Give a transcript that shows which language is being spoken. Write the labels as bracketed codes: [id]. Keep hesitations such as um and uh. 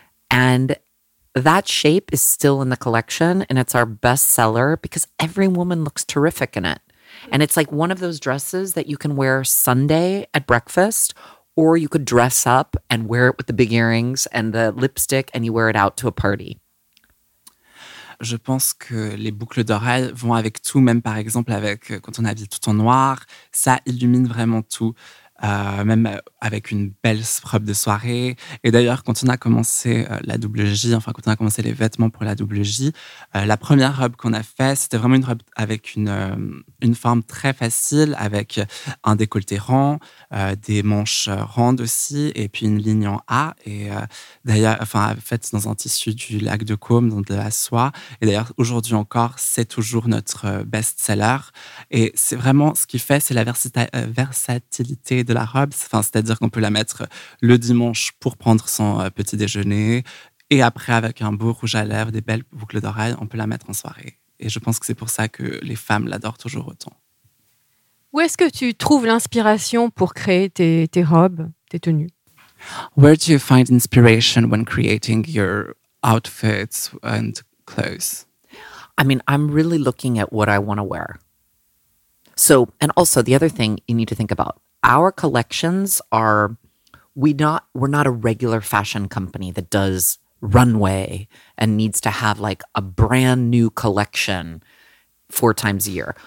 [en] And that shape is still in the collection and it's our best seller because every woman looks terrific in it. And it's like one of those dresses that you can wear Sunday at breakfast, or you could dress up and wear it with the big earrings and the lipstick and you wear it out to a party. [fr] Je pense que les boucles d'oreilles vont avec tout, même par exemple avec quand on habille tout en noir, ça illumine vraiment tout. Euh, même avec une belle robe de soirée. Et d'ailleurs, quand on a commencé la double J, enfin, quand on a commencé les vêtements pour la double J, euh, la première robe qu'on a faite, c'était vraiment une robe avec une, une forme très facile, avec un décolleté rond, euh, des manches rondes aussi, et puis une ligne en A. Et d'ailleurs, enfin, en faite dans un tissu du lac de Côme, donc de la soie. Et d'ailleurs, aujourd'hui encore, c'est toujours notre best-seller. Et c'est vraiment ce qui fait, c'est la versatilité de la robe. Enfin, c'est-à-dire qu'on peut la mettre le dimanche pour prendre son petit déjeuner. Et après, avec un beau rouge à lèvres, des belles boucles d'oreilles, on peut la mettre en soirée. Et je pense que c'est pour ça que les femmes l'adorent toujours autant. Où est-ce que tu trouves l'inspiration pour créer tes, robes, tes tenues [en] Where do you find inspiration when creating your outfits and clothes I mean, I'm really looking at what I want to wear. So, and also the other thing you need to think about our collections are we not we're not a regular fashion company that does runway and needs to have like a brand new collection four times a year.